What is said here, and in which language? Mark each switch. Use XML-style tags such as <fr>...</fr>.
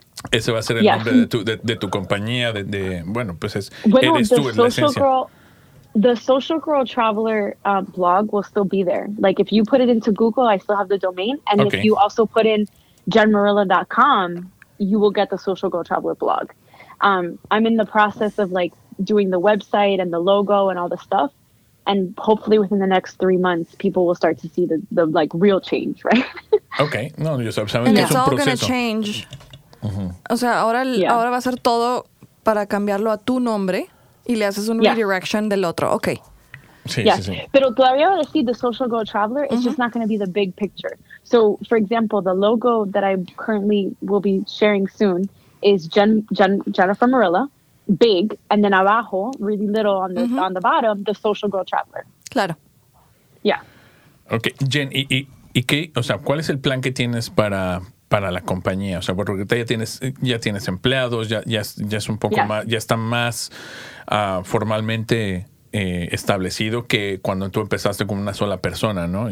<es>Ese va a ser el nombre de tu compañía, de bueno, pues es, bueno, eres tú en la esencia.</es> <en>The Social Girl Traveler blog will still be there. Like, if you put it into Google, I still have the domain. And if you also put in jenmorilla.com, you will get the Social Girl Traveler blog. I'm in the process of, like, doing the website and the logo and all the stuff. And hopefully within the next 3 months, people will start to see the like, real change, right?</en> <es>Okay. No, yo sabes que es un proceso.</es> <en>And it's all going to change.</en> <es>Uh-huh. O sea, ahora va a ser todo para cambiarlo a tu nombre y le haces un redirection del otro.</es> <en>Okay.</en> <es>Sí. Pero todavía va a decir The Social Girl Traveler.</es> <en>It's just not going to be the big picture. So, for example, the logo that I currently will be sharing soon is Jennifer Morilla, big, and then</en> <es>abajo,</es> <en>really little on the on the bottom, The Social Girl Traveler.</en> <es>Claro.</es> <en>Yeah.</en> <es>Okay, Jen, ¿y qué? O sea, ¿cuál es el plan que tienes para la compañía? O sea, porque ya tienes empleados, ya es un poco más, ya está más formalmente establecido que cuando tú empezaste con una sola persona, ¿no?</es>